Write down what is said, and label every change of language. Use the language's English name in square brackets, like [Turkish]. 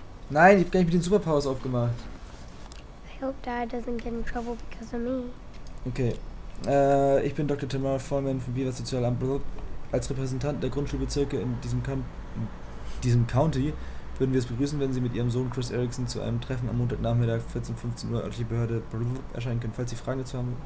[German] Nein, ich hab gar nicht mit den Superpowers aufgemacht. [English] I hope Dad doesn't get in trouble because of me. [German] Okay. Ich bin Dr. Tamara Vollmann vom Beaver Sozialamt. Als Repräsentant der Grundschulbezirke in diesem County würden wir es begrüßen, wenn Sie mit Ihrem Sohn Chris Erickson zu einem Treffen am Montagnachmittag 14:15 Uhr örtliche Behörde erscheinen können, falls Sie Fragen dazu haben.